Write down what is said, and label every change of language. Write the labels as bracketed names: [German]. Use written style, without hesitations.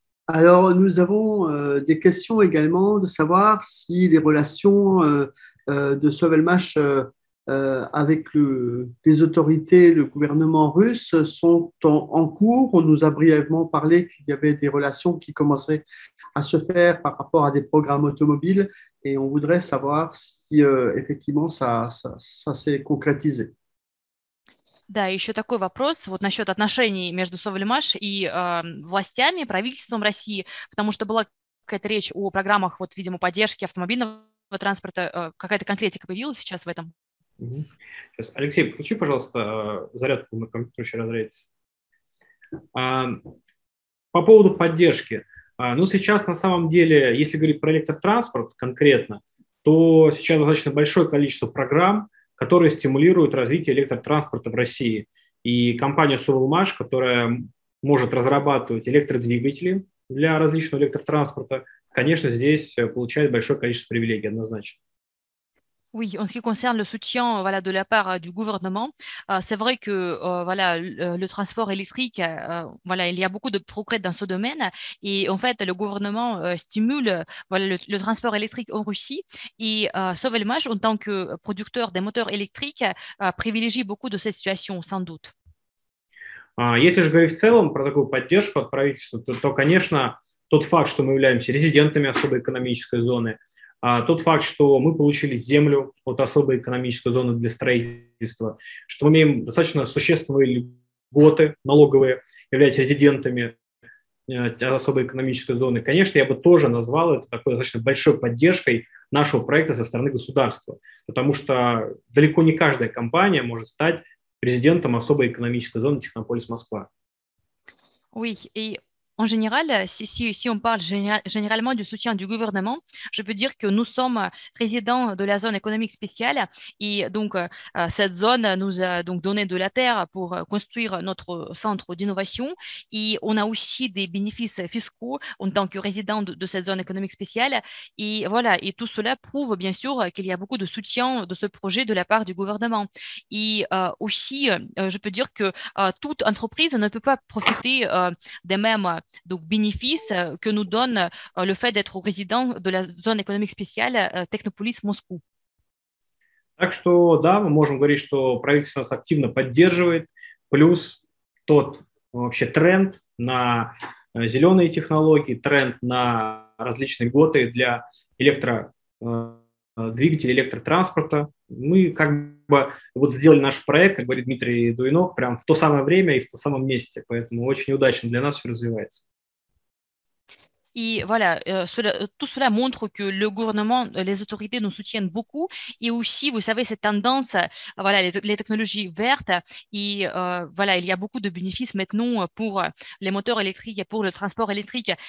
[French] Alors, nous avons des questions également de savoir si les relations de Sovelmash avec les autorités, le gouvernement russe sont en cours. On nous a brièvement parlé qu'il y avait des relations qui commençaient à se faire par rapport à des programmes automobiles et on voudrait savoir si effectivement ça s'est concrétisé. [Russian] Да, еще такой вопрос вот насчет отношений между Совельмаш и властями, правительством России, потому что была какая-то речь о программах, вот, видимо, поддержки автомобильного транспорта. Какая-то конкретика появилась сейчас в этом? Сейчас, Алексей, включи, пожалуйста, зарядку, мой компьютер еще разрядится. По поводу поддержки. Ну, сейчас на самом деле, если говорить про электротранспорт конкретно, то сейчас достаточно большое количество программ, которые стимулируют развитие электротранспорта в России. И компания Sovelmash, которая может разрабатывать электродвигатели для различного электротранспорта, конечно, здесь получает большое количество привилегий однозначно. [French] Oui, en ce qui concerne le soutien voilà, de la part du gouvernement, c'est vrai que voilà, le transport électrique, voilà, il y a beaucoup de progrès dans ce domaine. Et en fait, le gouvernement stimule voilà, le transport électrique en Russie. Et Sovelmash, en tant que producteur des moteurs électriques, privilégie beaucoup de cette situation, sans doute. [Russian] Если же говорить в целом про такую поддержку от правительства, то, конечно, тот факт, что мы являемся резидентами особой экономической зоны, тот факт, что мы получили землю от особой экономической зоны для строительства, что мы имеем достаточно существенные льготы налоговые, являясь резидентами особой экономической зоны, конечно, я бы тоже назвал это такой достаточно большой поддержкой нашего проекта со стороны государства, потому что далеко не каждая компания может стать резидентом особой экономической зоны Технополис Москва. [French] Oui, et... En général, si on parle généralement du soutien du gouvernement, je peux dire que nous sommes résidents de la zone économique spéciale et donc cette zone nous a donc donné de la terre pour construire notre centre d'innovation et on a aussi des bénéfices fiscaux en tant que résident de cette zone économique spéciale et voilà, et tout cela prouve bien sûr qu'il y a beaucoup de soutien de ce projet de la part du gouvernement et aussi je peux dire que toute entreprise ne peut pas profiter des mêmes donc bénéfice que nous donne le fait d'être résident de la zone économique spéciale Technopolis Moscou. [Russian] Так что да, мы можем говорить, что правительство нас активно поддерживает, плюс тот вообще тренд на зеленые технологии, тренд на различные льготы для электродвигателей, электротранспорта. Мы как бы вот сделали наш проект, как говорит Дмитрий Дуйнов, прямо в то самое время и в том самом месте, поэтому очень удачно для нас все развивается. [French] И voilà, tout cela montre que le gouvernement, les autorités nous soutiennent beaucoup et aussi, vous savez, cette tendance, voilà, les technologies vertes et voilà, il y a beaucoup de bénéfices maintenant pour les moteurs électriques et pour le transport électrique.